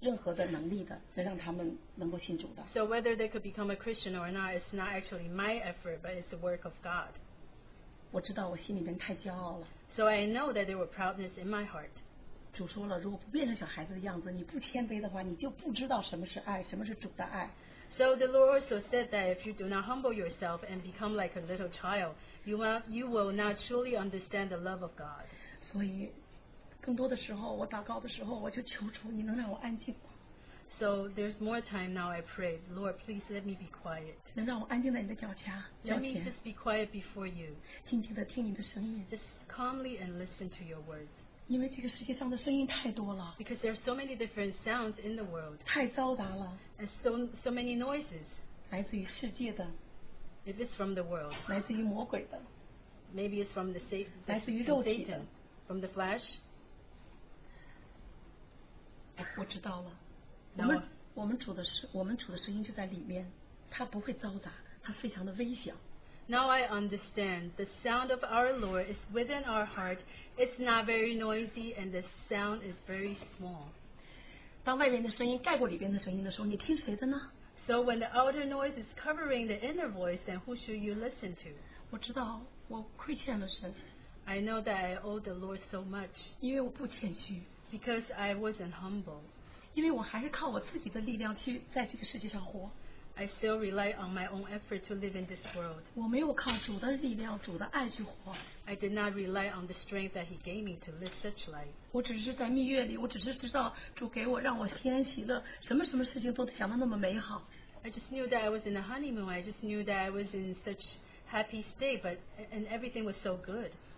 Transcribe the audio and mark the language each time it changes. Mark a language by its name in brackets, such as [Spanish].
[Chinese] 当然他们成不成基督徒，这是神的，神在做工，我是没有任何的能力的，能让他们能够信主的。 [English] So whether they could become a Christian or not, it's not actually my effort, but it's the work of God. [Chinese] 我知道我心里面太骄傲了。 [English] So I know that there were proudness in my heart. [Chinese] 主说了，如果不变成小孩子的样子，你不谦卑的话，你就不知道什么是爱，什么是主的爱。 [English] So the Lord also said that if you do not humble yourself and become like a little child, you will not truly understand the love of God. [Chinese] 所以，更多的时候，我祷告的时候，我就求主，你能让我安静。 [English] So there's more time now. I pray, Lord, please let me be quiet. [Chinese] 能让我安静在你的脚前。 [English] Let me just be quiet before you. [Chinese] 静静的听你的声音。 [English] Just calmly and listen to your words. [Chinese] 因为这个世界上的声音太多了。 [English] Because there are so many different sounds in the world. [Chinese] 太嘈杂了。 [English] And so many noises. [Chinese] 来自于世界的。 [English] If it's from the world. [Chinese] 来自于魔鬼的。 [English] Maybe it's from the Satan. [Chinese] 来自于肉体的。 [English] From the flesh? [Chinese] 我知道了。我们主的声音就在里面，它不会嘈杂，它非常的微小。 [English] Now I understand. The sound of our Lord is within our heart. It's not very noisy and the sound is very small. [Chinese] 当外面的声音盖过里边的声音的时候，你听谁的呢？ [English] So when the outer noise is covering the inner voice, then who should you listen to? [Chinese] 我知道，我亏欠了神。 [English] I know that I owe the Lord so much. [Chinese] 因为我不谦虚, [English] because I wasn't humble. [Chinese] 因为我还是靠我自己的力量去在这个世界上活。 [English] I still rely on my own effort to live in this world. [Chinese] 我没有靠主的力量, 主的爱去活。 [English] I did not rely on the strength that He gave me to live such life. [Chinese] 我只是在蜜月里, 我只是知道主给我, 让我平安喜乐, 什么什么事情都想得那么美好。 [English] I just knew that I was in a honeymoon. I just knew that I was in such happy state, but and everything was so good.